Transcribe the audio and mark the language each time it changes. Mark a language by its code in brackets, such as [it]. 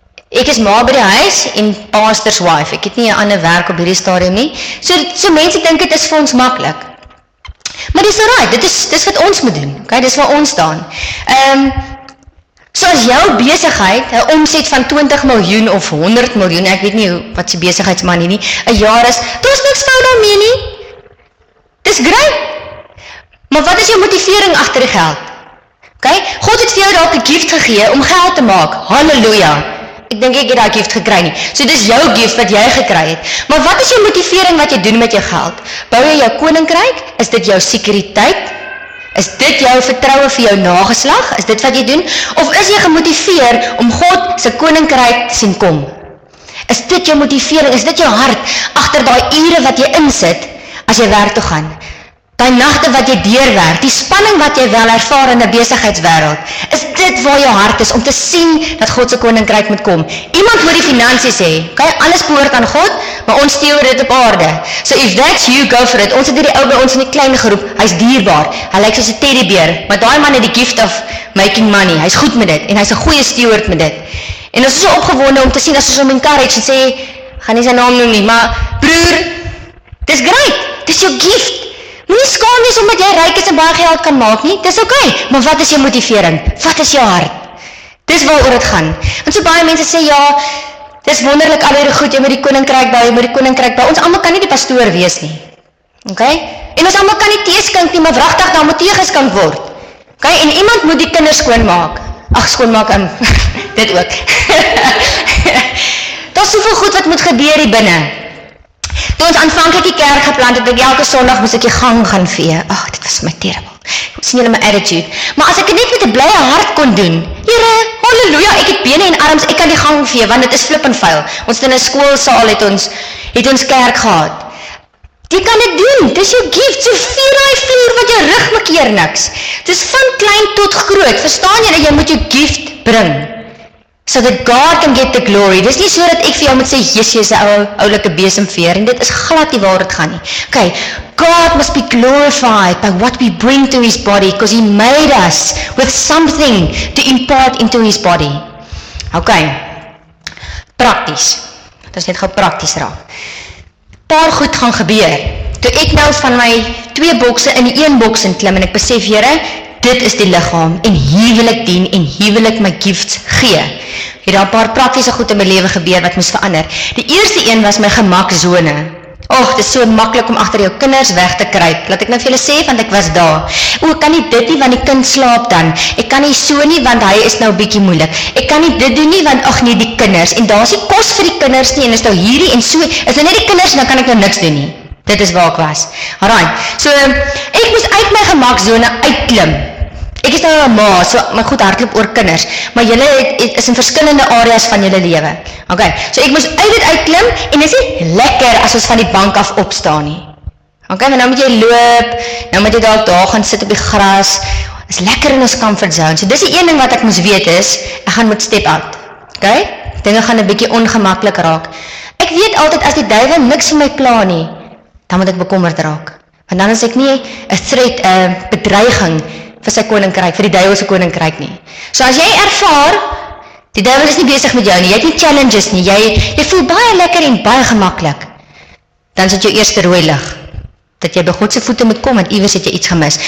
[af] Ek is ma by die huis, en pastor's wife, ek het nie 'n ander werk op hierdie stadium nie. So mense dink het is vir ons makkelijk. Maar dis alright, dit is wat ons moet doen, okay? Dis waar ons staan. So as jou besigheid, een omset van 20 miljoen of 100 miljoen, ek weet nie wat sy besigheidsman nie, een jaar is, daar is niks fout daarmee nie. Dis great. Maar wat is jou motivering achter die geld? Okay? God het vir jou dalk 'n gift gegee om geld te maak. Halleluja. Ek dink ek het daai gift gekry nie. So dis jou gift wat jy gekry het. Maar wat is jou motivering wat jy doen met jou geld? Bou jy jou koninkryk? Is dit jou sekuriteit? Is dit jou vertroue vir jou nageslag? Is dit wat jy doen? Of is jy gemotiveer om God se koninkryk te sien kom? Is dit jou motivering? Is dit jou hart agter daai ure wat jy insit as jy werk toe gaan? Daai nagte wat jy deurwerk, die spanning wat jy wel ervaar in 'n besigheidswêreld, is dit waar jou hart is om te sien dat God se koninkryk moet kom? Iemand moet die finansies hê. Okay, alles behoort aan God, maar ons steel dit op aarde. [en] So if that's you, go for it. [af] Ons het hierdie ou by ons in die klein geroep. Hy's dierbaar. Hy lyk soos 'n teddybeer, maar daai man het die [en] gift of making money. [af] Hy's goed met dit en hy's 'n goeie steward met dit. En ons is so opgewonde om te sien as ons hom encourage en sê, gaan nie sy naam noem nie, maar broer, dis great. Dis jou gift. Nie skaam nie, omdat jy ryk is en baie geld kan maak nie, dis ok, maar wat is jou motivering? Wat is jou hart? Dis waaroor dit gaan. Want so baie mense sê, ja, Dis wonderlik al hierdie goed, jy met die koninkryk bou, jy met die koninkryk bou. Ons almal kan nie die pastoor wees nie. OK? En ons almal kan nie teeskink nie, maar wragtig dan moet teeges kan word. OK? En iemand moet die kinders skoonmaak. Ag, skoonmaak in dit ook. Daar's soveel goed wat moet gebeur hier binne. Toe ons aanvanklik die kerk geplant het, ek elke Sondag moes ek die gang gaan vee. Ag, dit was my terrible. Ek sien julle my attitude. Maar as ek dit net met 'n blye hart kon doen. Here, halleluja, ek het bene en arms, ek kan die gang vee want dit is flip en vuil. Ons het in 'n skoolsaal het ons kerk gehad. Jy kan dit doen. Dis jou gift. So vier daai vloer wat jou rug makkeer niks. Dis van klein tot groot. Verstaan jy dat jy moet jou gift bring? [en] So that God can get the glory. [af] Dis nie so dat ek vir jou moet sê, Jesus, jy's 'n oulike besemveer. En dit is glad nie waar dit gaan nie. [en] Okay, God must be glorified by what we bring to his body. Because he made us with something to impart into his body. [af] Okay, prakties. Dit is net gauw prakties raak. Paar goed gaan gebeur. Toe ek nou van my twee bokse in die een boks in klim en ek besef, Here, dit is die liggaam en hier wil ek dien en hier wil ek my gifts gee. Het daar 'n paar praktiese goed in my lewe gebeur wat moes verander. Die eerste een was my gemaksone. Ag, dit is so maklik om agter jou kinders weg te kruip. Laat ek nou vir julle sê want ek was daar. O, kan nie dit nie want die kind slaap dan. Ek kan nie so nie want hy is nou 'n bietjie moeilik. Ek kan nie dit doen nie want ag nee, die kinders en daar's nie kos vir die kinders nie en is nou hierdie en so. Is dit net die kinders dan kan ek nou niks doen nie. Dit is waar ek was. Alraai. So ek moes uit my gemaksone uitklim. Ek is nou 'n ma, so my goed hardloop oor kinders, maar julle is in verskillende areas van julle lewe. OK. So ek moes uit dit uitklim en dit is nie lekker as ons van die bank af opstaan nie. OK, maar nou moet jy loop, nou moet jy dalk daar gaan sit op die gras. Is lekker in ons comfort zone. So dis die een ding wat ek moes weet is, ek gaan moet step out. OK? Dinge gaan 'n bietjie ongemaklik raak. Ek weet altyd as die duiwel niks vir my pla nie, dan moet ek bekommerd raak. Want dan is ek nie 'n threat, 'n bedreiging vir sy koninkryk, vir die duiwel se koninkryk nie. So as jy ervaar, die duiwel is nie besig met jou nie, jy het nie challenges nie, jy voel baie lekker en baie gemaklik, dan sit jou eerste rooi lig, dat jy by God se voete moet kom, want iewers het jy iets gemis.